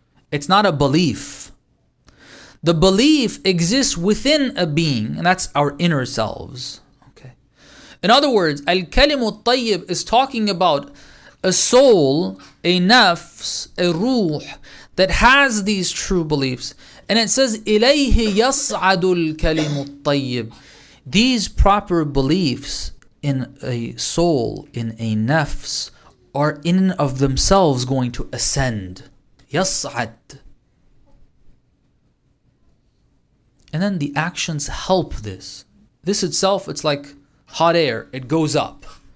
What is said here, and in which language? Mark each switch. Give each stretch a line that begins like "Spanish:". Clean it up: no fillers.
English: It's not a belief. The belief exists within a being, and that's our inner selves. In other words, al-kalimu al-tayyib is talking about a soul, a nafs, a ruh that has these true beliefs. And it says,
Arabic: إِلَيْهِ يَصْعَدُ الْكَلِمُ الطَّيِّبُ.
English: These proper beliefs in a soul, in a nafs, are in and of themselves going to ascend.
Arabic: يَصْعَد.
English: And then the actions help this. This itself, it's like hot air, it goes up.